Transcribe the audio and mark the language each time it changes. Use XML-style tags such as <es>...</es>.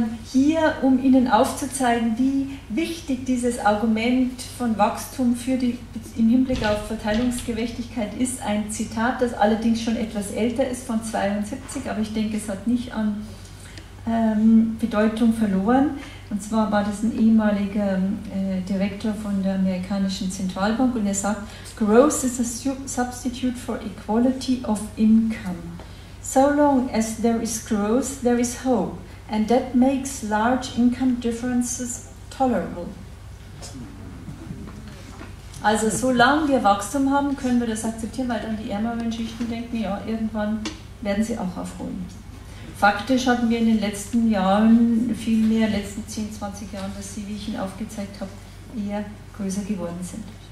<de>Hier, um Ihnen aufzuzeigen, wie wichtig dieses Argument von Wachstum im Hinblick auf Verteilungsgerechtigkeit ist, ein Zitat, das allerdings schon etwas älter ist, von 1972, aber ich denke, es hat nicht an Bedeutung verloren. Und zwar war das ein ehemaliger Direktor von der amerikanischen Zentralbank und er sagt,</de> <en>"Growth is a substitute for equality of income. So long as there is growth, there is hope. And that makes large income differences tolerable."</en> <de>Also solange wir Wachstum haben, können wir das akzeptieren, weil dann die ärmeren Schichten denken, ja, irgendwann werden sie auch aufholen. Faktisch hatten wir in den letzten Jahren, vielmehr in den letzten 10, 20 Jahren, dass sie, wie ich Ihnen aufgezeigt habe, eher größer geworden sind.</de>